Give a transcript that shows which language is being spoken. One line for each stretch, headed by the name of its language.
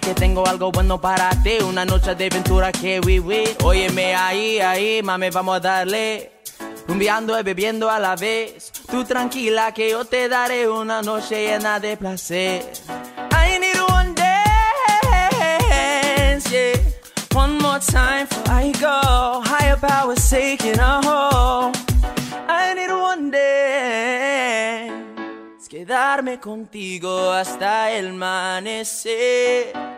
Spanish: Que tengo algo bueno para ti, una noche de aventura que
English: we win.
Spanish: Óyeme ahí, ahí, mami, vamos a darle. Rumbiando y bebiendo a la vez. Tú tranquila que yo te daré una noche llena de placer.
English: I need one dance, yeah. One more time before I go. Higher power's taking a hold. I need one dance.
Spanish: Quedarme contigo hasta el amanecer.